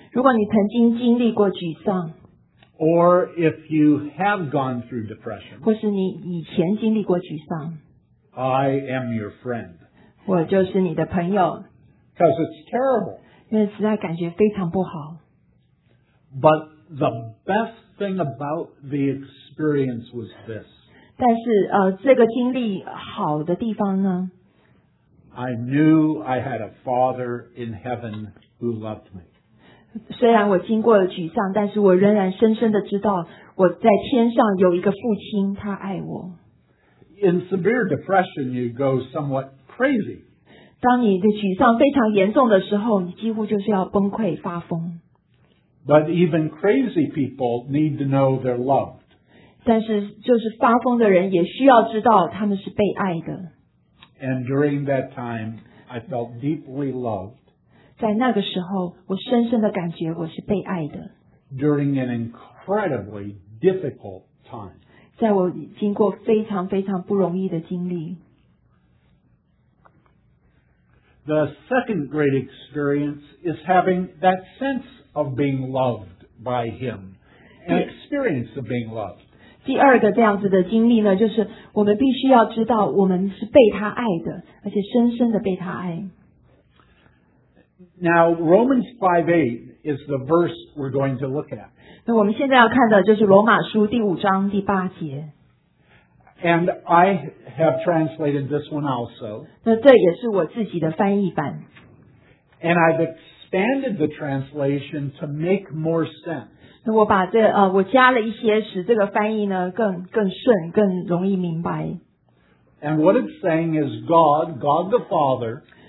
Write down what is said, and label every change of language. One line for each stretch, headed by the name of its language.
Chinese: 如果你曾经经历过沮丧。
English: Or if you have gone through depression,
Chinese: 或是你以前经历过沮丧。
English: I am your friend.
Chinese: 我就是你的朋友。
English: Because it's terrible.
Chinese: 因为实在感觉非常不好。
English: But the best thing about the experience was this.
Chinese: 但是这个经历好的地方呢？
English: I knew I had a father in heaven who loved me.
Chinese: 虽然我经过了沮丧，但是我仍然深深的知道我在天上有一个父亲，他爱我。
English: In severe depression, you go somewhat crazy.
Chinese: 当你的沮丧非常严重的时候，你几乎就是要崩溃发疯。
English: But even crazy people need to know they're loved.
Chinese: 但是就是发疯的人也需要知道他们是被爱的。
English: And during that time, I felt deeply loved.
Chinese: 在那个时候，我深深的感觉我是被爱的。
English: During an incredibly difficult time，
Chinese: 在我经过非常非常不容易的经历。
English: The second great experience is having that sense of being loved by Him, an experience of being loved。
Chinese: 第二个这样子的经历呢，就是我们必须要知道我们是被他爱的，而且深深的被他爱。
English: Now, Romans 5:8 is the verse we're going to look at.
Chinese: 那我们现在要看的就是罗马书第五章第八节。
English: And I have translated this one also.
Chinese: 那这也是我自己的翻译版。
English: And I've expanded the translation to make more sense.
Chinese: 那我把这我加了一些使这个翻译呢更顺更容易明白。
English: And what it's saying is God the Father.